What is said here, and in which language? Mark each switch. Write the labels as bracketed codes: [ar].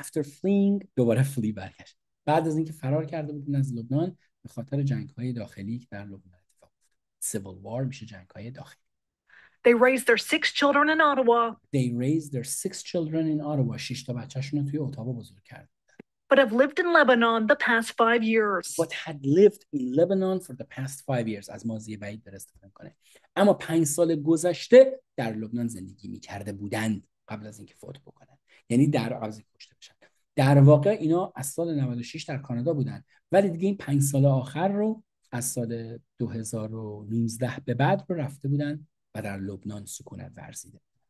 [en] After fleeing, [fa] دوباره فلی برگشت. بعد از اینکه فرار کرده بودن از لبنان به خاطر جنگ‌های داخلی که در لبنان اتفاق افتاد. Civil war میشه جنگ‌های داخلی. [en] They raised their six children in Ottawa. They raised their six children in Ottawa. [fa] شش تا بچه‌شون رو توی اتاوا بزرگ کرد. [en] But have lived in Lebanon the past 5 years. But had lived in Lebanon for the past 5 years. [fa] از ماضی بعید در استفاده کنه. اما 5 سال گذشته در لبنان زندگی می‌کرده بودند قبل از اینکه فوت بکنه. یعنی در عوضی کشته بشن. در واقع اینا از سال 96 در کانادا بودن ولی دیگه این 5 سال آخر رو از سال 2019 به بعد رو رفته بودن و در لبنان سکونت ورزیده.